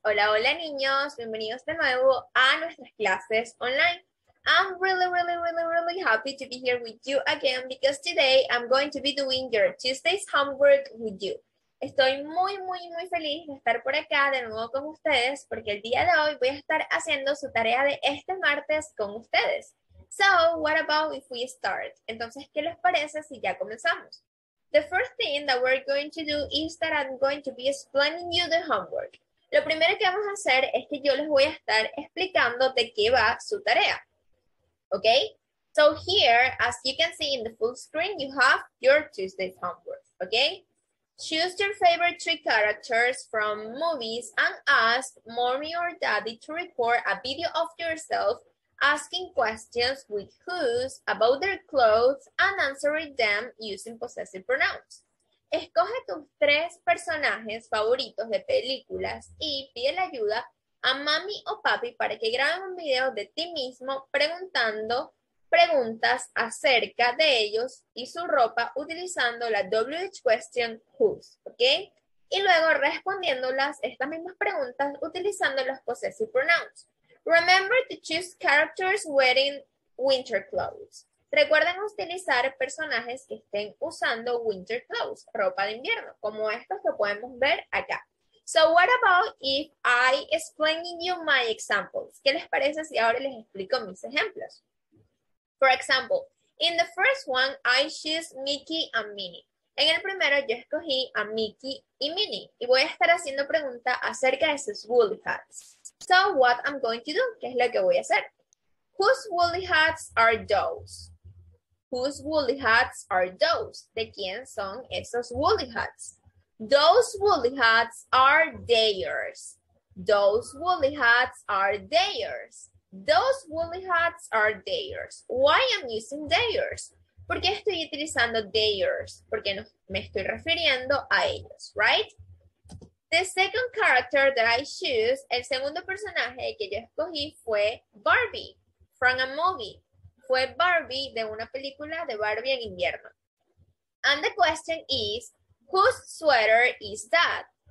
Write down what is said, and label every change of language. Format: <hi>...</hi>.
<es>Hola, hola niños, bienvenidos de nuevo a nuestras clases online.</es> <en>I'm really, really, really, really happy to be here with you again because today I'm going to be doing your Tuesday's homework with you.</en> <es>Estoy muy, muy, muy feliz de estar por acá de nuevo con ustedes porque el día de hoy voy a estar haciendo su tarea de este martes con ustedes.</es> <en>So, what about if we start?</en> <es>Entonces, ¿qué les parece si ya comenzamos?</es> <en>The first thing that we're going to do is that I'm going to be explaining you the homework.</en> <es>Lo primero que vamos a hacer es que yo les voy a estar explicando de qué va su tarea.</es> <en>Okay? So here, as you can see in the full screen, you have your Tuesday's homework. Okay? Choose your favorite three characters from movies and ask mommy or daddy to record a video of yourself asking questions with whose, about their clothes, and answering them using possessive pronouns.</en> <es>Escoge tus tres personajes favoritos de películas y pide la ayuda a mami o papi para que graben un video de ti mismo preguntando preguntas acerca de ellos y su ropa utilizando la WH question whose, ¿ok? Y luego respondiéndolas estas mismas preguntas utilizando los possessive pronouns.</es> <en>Remember to choose characters wearing winter clothes.</en> <es>Recuerden utilizar personajes que estén usando winter clothes, ropa de invierno, como estos que podemos ver acá.</es> <en>So what about if I explain you my examples?</en> <es>¿Qué les parece si ahora les explico mis ejemplos?</es> <en>For example, in the first one, I choose Mickey and Minnie.</en> <es>En el primero, yo escogí a Mickey y Minnie. Y voy a estar haciendo pregunta acerca de sus woolly hats.</es> <en>So what I'm going to do,</en> <es>¿qué es lo que voy a hacer?</es> <en>Whose woolly hats are those? Whose woolly hats are those?</en> <es>¿De quién son esos woolly hats?</es> <en>Those woolly hats are theirs. Those woolly hats are theirs. Those woolly hats are theirs. Why I'm using theirs?</en> <es>¿Por qué estoy utilizando theirs? Porque me estoy refiriendo a ellos,</es> <en>right? The second character that I choose,</en> <es>el segundo personaje que yo escogí fue Barbie,</es> <en>from a movie.</en> <es>Fue Barbie de una película de Barbie en invierno.</es> <en>And the question is, whose sweater is that?</en>